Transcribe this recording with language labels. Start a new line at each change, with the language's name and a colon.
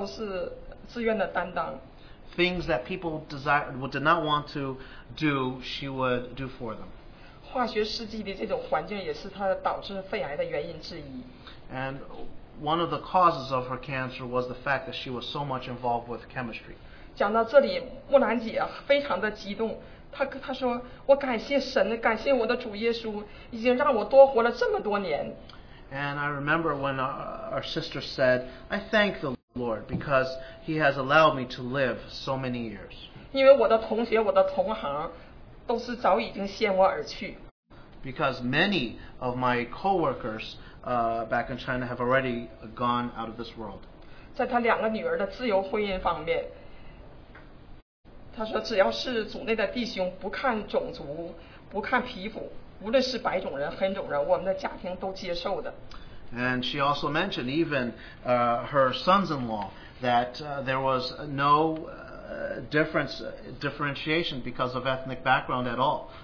Chinese: 别人不愿意做的事情，她都是自愿的担当。
English: Things that people did not want to do, she would do for them.
Chinese: 化学试剂的这种环境也是她导致肺癌的原因之一。
English: And one of the causes of her cancer was the fact that she was so much involved with chemistry.
Chinese: 讲到这里，木兰姐非常的激动，她说：“我感谢神，感谢我的主耶稣，已经让我多活了这么多年。”
English: And I remember when our sister said, I thank the Lord because he has allowed me to live so many years.
Chinese: 因为我的同学,我的同行都是早已经先我而去。
English: Because many of my co-workers back in China have already gone out of this world.
Chinese: 在她两个女儿的自由婚姻方面,她说只要是主内的弟兄,不看种族,不看皮肤,无论是白种人,黑种人,我们的家庭都接受的。
English: And she also mentioned even her sons-in-law that there was no differentiation because of ethnic background at all.